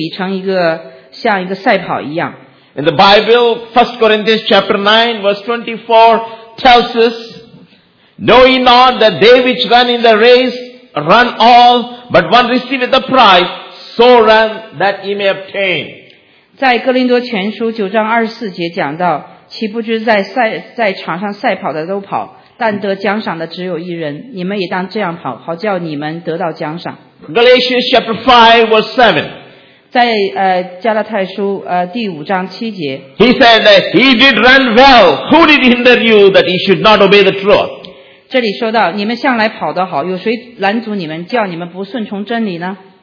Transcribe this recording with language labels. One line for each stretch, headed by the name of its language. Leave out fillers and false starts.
Chinese: 他讲到这基督徒的生活被比成一个像一个赛跑一样。
English: In the Bible, 1 Corinthians chapter 9 verse 24 tells us, Know ye not that they which run in the race run all, but one receiveth the prize, so run that ye may obtain.
Chinese: 在哥林多前书9章24节讲到， 岂不知在场上赛跑的都跑， 但得奖赏的只有一人，你们也当这样跑，好叫你们得到奖赏。
English: Galatians chapter 5 verse 7.
Chinese: 在加拉太书第五章七节。
English: He said that he did run well. Who did hinder you that he should not obey the truth?
Chinese: 这里说到，你们向来跑得好，有谁拦阻你们，叫你们不顺从真理呢？